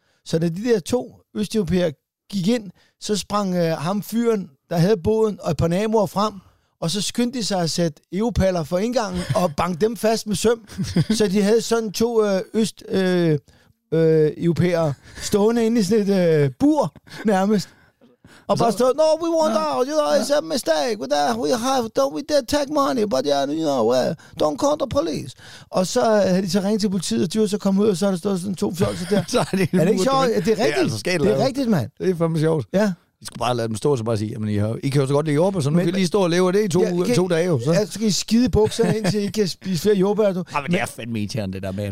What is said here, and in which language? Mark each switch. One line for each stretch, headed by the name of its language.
Danish: Så da de der to østeuropæere gik ind, så sprang ham fyren, der havde båden, og et par naboer frem, og så skyndte de sig at sætte EU-paller for indgangen og bank dem fast med søm, så de havde sådan to østeuropæere stående inde i sådan et bur, nærmest. Og bare stod,
English: no, we want out, you know, it's a mistake, with that. we did take money, but yeah, you know, don't call the police.
Danish: Og så havde de så ringet til politiet, og de var så kommet ud, og så er der stået sådan to fjolser der. Så er det ikke sjovt? Det er rigtigt. Det er, altså det er rigtigt, mand. Det er fandme sjovt. Ja. I skulle bare lade dem stå og så bare sige, jamen, I kan jo så godt lide jordbær, så nu men, kan I lige stå og leve det i to dage. Jo, så. Ja, så kan I skide bukserne ind, til I kan spise flere jordbær. Du. Jamen, det er fandme irriterende, det der med.